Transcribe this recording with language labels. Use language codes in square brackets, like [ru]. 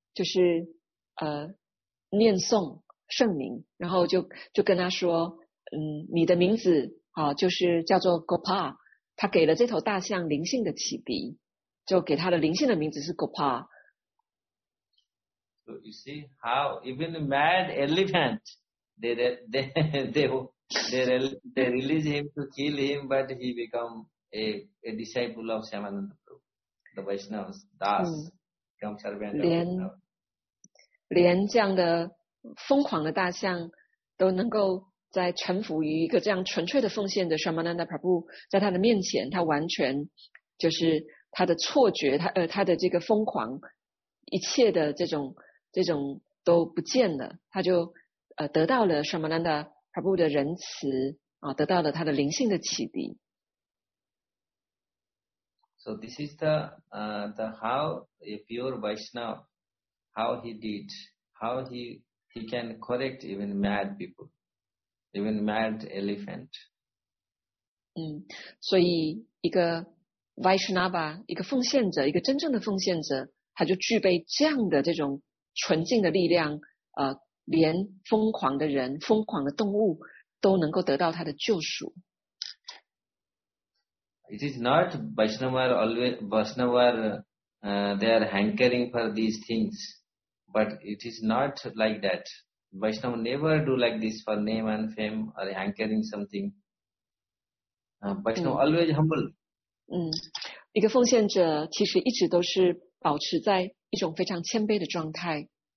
[zh] 就是念诵圣名，然后就跟他说，你的名字就是叫做 Gopal， 他给了这头大象灵性的启迪，就给他的灵性的名字是 Gopal。 [en] So you see how even mad elephant they release him to kill him, but he become a disciple of Shamananda Prabhu, the Vaishnavas das become servant of Vaishnava。 [zh] 连这样的疯狂的大象都能够在臣服于一个这样纯粹的奉献的 Shamananda Prabhu， 在他的面前他完全就是他的错觉 他的这个疯狂一切的这种都不见了，他就得到了 Shamananda Prabhu 的仁慈得到了他的灵性的启迪。 [en] So this is the how a pure Vaishnava. How he did, how he can correct even mad people, even mad elephant. [zh] 所以一个 Vaishnava, 一个奉献者，一个真正的奉献者，他就具备这样的这种纯净的力量，连疯狂的人，疯狂的动物都能够得到他的救赎。 [en] It is not Vaishnava always, Vaishnava, they are hankering for these things. But it is not like that. Vaishnava never do like this for name and fame or hankering something. Vaishnava always humble. [zh] 一个奉献者其实一直都是保持在一种非常谦卑的状态。